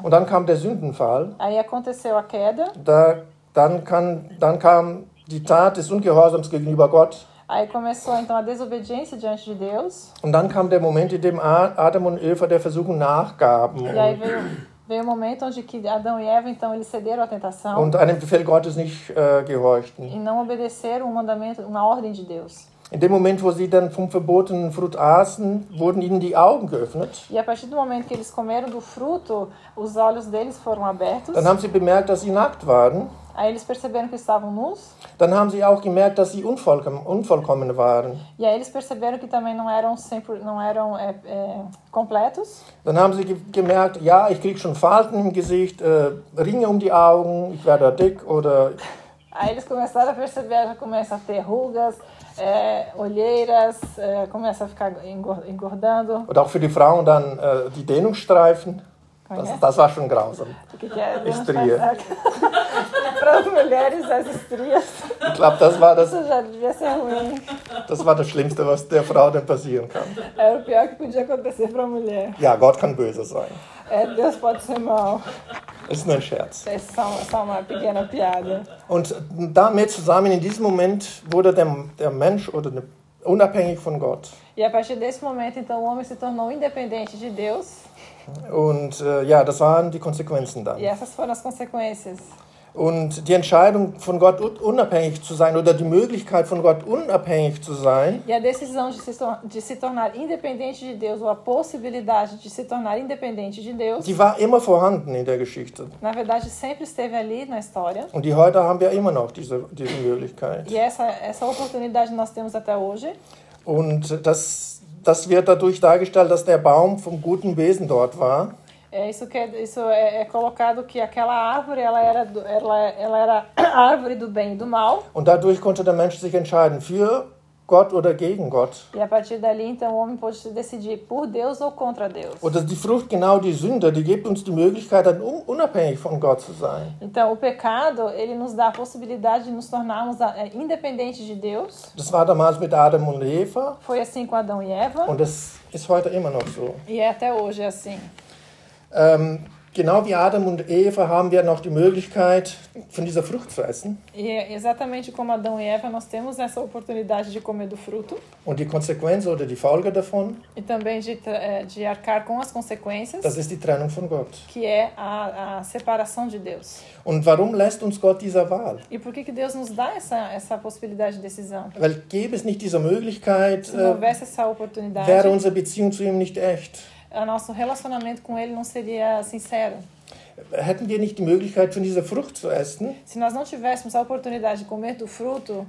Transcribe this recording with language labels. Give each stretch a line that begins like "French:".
German: Und dann kam der Sündenfall.
Portuguese: Aí aconteceu a queda.
German: Dann kam die Tat des Ungehorsams gegenüber Gott.
Portuguese: Aí começou então a desobediência diante de Deus.
German: Und dann kam der Moment, in dem Adam und Eva der Versuchung nachgaben.
Portuguese: E aí veio um momento onde que Adão e Eva então eles cederam à tentação.
German: Und einem Befehl Gottes nicht gehorchten.
Portuguese: E não obedeceram um mandamento, uma ordem de Deus.
German: In dem Moment, wo sie dann vom verbotenen Frucht aßen, wurden ihnen die Augen geöffnet.
Portuguese: E a partir do momento que eles comeram do fruto, os olhos deles foram abertos.
German: Dann haben sie bemerkt, dass sie nackt waren.
Portuguese: Aí eles perceberam que estavam nus.
German: Dann haben sie auch gemerkt, dass sie unvollkommen waren.
Portuguese: E aí eles perceberam que também não eram sempre, não eram completos.
German: Dann haben sie gemerkt, ja, ich krieg schon Falten im Gesicht, Ringe um die Augen, ich werde dick oder.
Portuguese: Aí eles começaram a perceber, já começa a ter rugas. Olheiras, começa a ficar engordando.
German: Und auch für die Frauen dann die Dehnungsstreifen. Das war schon grausam.
Portuguese: Que é? Estria. Para as mulheres, as estrias.
German: Ich glaube, das war das.
Portuguese: Isso já devia ser ruim.
German: Das war das Schlimmste, was der Frau denn passieren kann.
Portuguese: Era o pior que podia acontecer para a mulher.
German: Ja, Gott kann böse sein.
Portuguese: Deus pode ser mal.
German: Ist nur ein Scherz. Ist so eine kleine Piade. Und damit zusammen in diesem Moment wurde der Mensch oder unabhängig von Gott.
Portuguese: E a partir desse momento então o homem se tornou independente de Deus.
German: Und ja, das waren die Konsequenzen dann.
Portuguese: E essas foram as consequências.
German: Und die Entscheidung von Gott unabhängig zu sein oder die Möglichkeit von Gott unabhängig zu sein.
Portuguese: E a decisão de se tornar independente de Deus ou a possibilidade de se tornar independente de Deus.
German: Die war immer vorhanden in der Geschichte.
Portuguese: Na verdade sempre esteve ali na história.
German: Und die heute haben wir immer noch diese Möglichkeit.
Portuguese: E essa oportunidade nós temos até hoje.
German: Und das wird dadurch dargestellt, dass der Baum vom guten Wesen dort war.
Portuguese: Isso é colocado que aquela árvore ela era a árvore do bem e do mal.
German: Und dadurch konnte der Mensch sich entscheiden für Gott oder gegen Gott.
Portuguese: E a partir dali então o homem pôde decidir por Deus ou contra Deus.
German: Und die Frucht genau die Sünde, die gibt uns die Möglichkeit dann unabhängig von Gott zu sein.
Portuguese: Então o pecado ele nos dá a possibilidade de nos tornarmos independentes de Deus.
German: Das war damals mit Adam und Eva.
Portuguese: Foi assim com Adão e Eva.
German: Und das ist heute immer noch so.
Portuguese: E é até hoje assim.
German: Genau wie Adam und Eva haben wir noch die Möglichkeit von dieser Frucht zu essen.
Portuguese: E exatamente como Adão e Eva nós temos essa oportunidade de comer do fruto.
German: Und die Konsequenz oder die Folge davon?
Portuguese: E também de arcar com as consequências.
German: Das ist die Trennung von Gott.
Portuguese: Que é a separação de Deus.
German: Und warum lässt uns Gott diese Wahl?
Portuguese: E por que que Deus nos dá essa possibilidade de decisão?
German: Weil gäbe es nicht diese Möglichkeit,
Portuguese: se não houvesse essa oportunidade,
German: wäre unsere Beziehung zu ihm nicht echt.
Portuguese: O nosso relacionamento com ele não seria sincero.
German: Hätten wir nicht die Möglichkeit von dieser Frucht zu essen?
Portuguese: Se nós não tivéssemos a oportunidade de comer do fruto?